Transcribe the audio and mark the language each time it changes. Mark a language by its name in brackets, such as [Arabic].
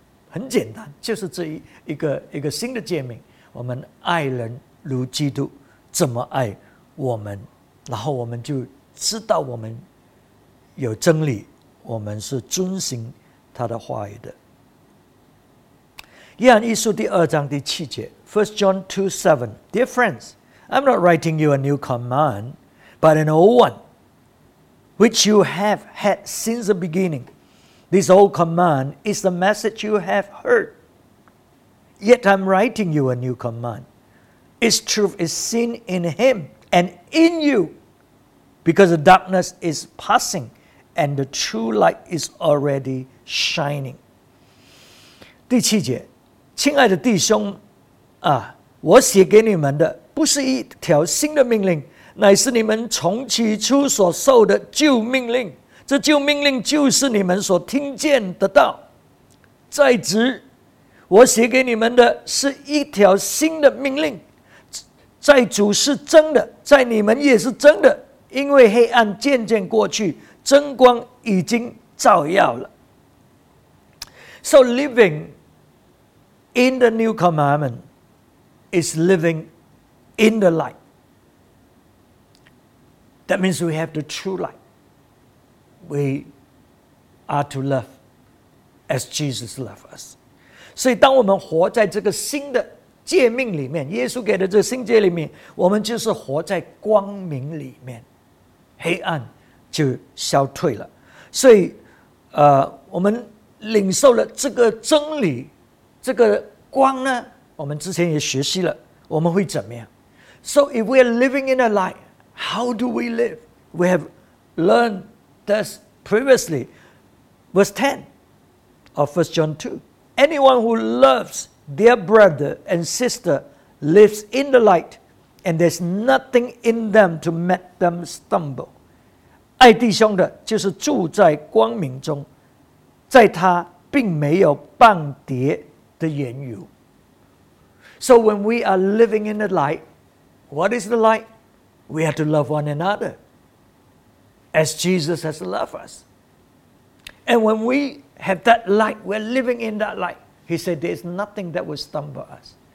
[Chinese] 很简单，就是这一个新的诫命。我们爱人如基督怎么爱我们，然后我们就知道我们有真理，我们是遵循他的话语的。约翰一书第二章第七节 [English] ,First John 2:7, Dear friends, I'm not writing you a new command, but an old one, which you have had since the beginning. This old command is the message you have heard. Yet I'm writing you a new command. Its truth is seen in him and in you, because the darkness is passing. And the true light is already shining. [Chinese] 第七节，亲爱的弟兄啊，我写给你们的不是一条新的命令，乃是你们从起初所受的旧命令。这旧命令就是你们所听见的道。在此，我写给你们的是一条新的命令，在主是真的，在你们也是真的，因为黑暗渐渐过去。真光已经照耀了。 [English] So living in the new commandment is living in the light. That means we have the true light. We are to love as Jesus loved us. [Chinese] 所以当我们活在这个新的诫命里面，耶稣给的这个新诫里面，我们就是活在光明里面，黑暗就消退了。所以我们领受了这个真理，这个光呢，我们之前也学习了，我们会怎么样。 [English] So if we are living in a light, how do we live? We have learned this previously. Verse 10 of 1 John 2. Anyone who loves their brother and sister lives in the light, and there's nothing in them to make them stumble. [Chinese] 爱弟兄的就是住在光明中，在他并没有半点的缘由。 [English] So when we are living in the light, what is the light? We have to love one another as Jesus has loved us. And when we have that light, we're living in that light. He said there's nothing that will stumble us.